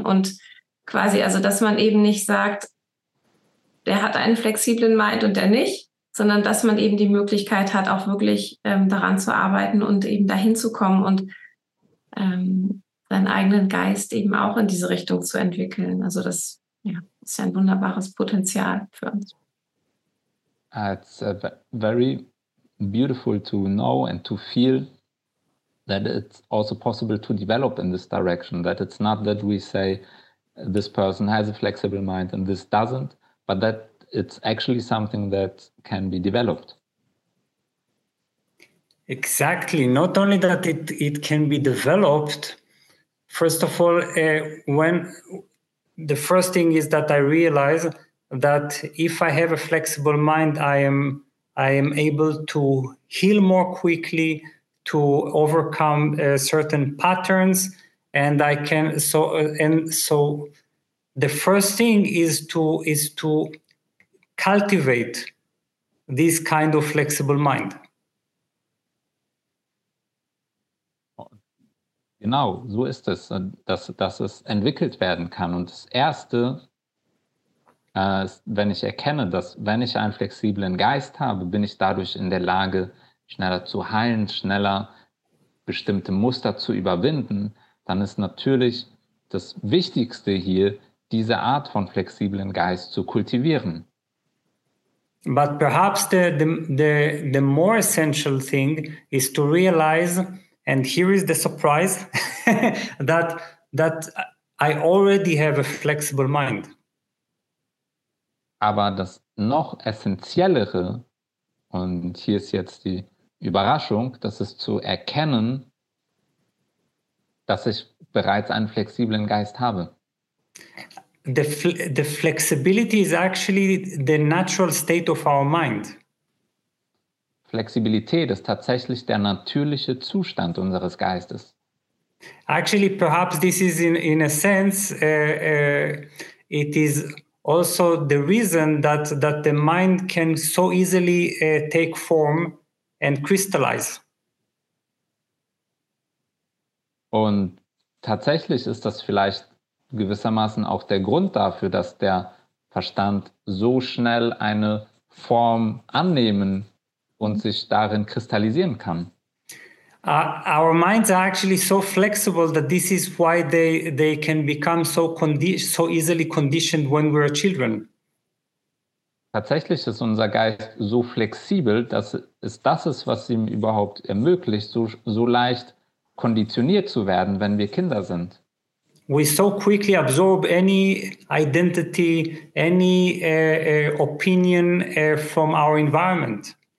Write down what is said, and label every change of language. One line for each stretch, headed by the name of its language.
German: Und quasi, also dass man eben nicht sagt, der hat einen flexiblen Mind und der nicht, sondern dass man eben die Möglichkeit hat, auch wirklich daran zu arbeiten und eben dahin zu kommen und seinen eigenen Geist eben auch in diese Richtung zu entwickeln. Also das, ja, ist ja ein wunderbares Potenzial für uns.
English: It's very beautiful to know and to feel that it's also possible to develop in this direction, that it's not that we say this person has a flexible mind and this doesn't, but that it's actually something that can be developed. Exactly. Not only that it can be developed, first of all, the first thing is that I realize that if I have a flexible mind, I am able to heal more quickly, to overcome certain patterns, and I can so the first thing is to cultivate this kind of flexible mind.
German: Genau, so ist es, dass es entwickelt werden kann. Und das Erste, wenn ich erkenne, dass wenn ich einen flexiblen Geist habe, bin ich dadurch in der Lage, schneller zu heilen, schneller bestimmte Muster zu überwinden, dann ist natürlich das Wichtigste hier, diese Art von flexiblen Geist zu kultivieren.
English: But perhaps the more essential thing is to realize, and here is the surprise, that I already have a flexible mind.
German: Aber das noch essentiellere, und hier ist jetzt die Überraschung, das ist zu erkennen, dass ich bereits einen flexiblen Geist habe.
English: The flexibility is actually the natural state of our mind.
German: Flexibilität ist tatsächlich der natürliche Zustand unseres Geistes.
English: Actually, perhaps this is in a sense, it is also the reason that the mind can so easily take form and crystallize.
German: Und tatsächlich ist das vielleicht gewissermaßen auch der Grund dafür, dass der Verstand so schnell eine Form annehmen und sich darin kristallisieren kann.
English: Our minds are actually so flexible that this is why they can become so easily conditioned when we are children.
German: Tatsächlich ist unser Geist so flexibel, dass es das ist, was ihm überhaupt ermöglicht, so leicht konditioniert zu werden, wenn wir Kinder sind.
English: We so quickly absorb any identity, any opinion from our environment.